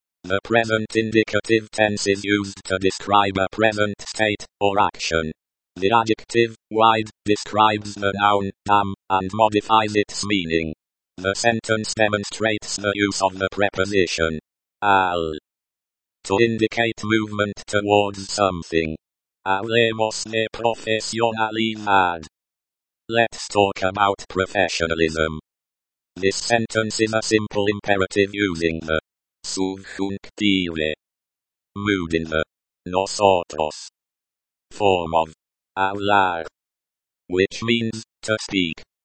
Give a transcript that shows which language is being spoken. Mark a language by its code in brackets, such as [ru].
[en] The present indicative tense is used to describe a present state or action. The adjective wide describes the noun am and modifies its meaning. The sentence demonstrates the use of the preposition al to indicate movement towards something. [es] Hablemos de profesionalidad. [en] Let's talk about professionalism. This sentence is a simple imperative using the subjunctive mood in the nosotros form of hablar, which means to speak.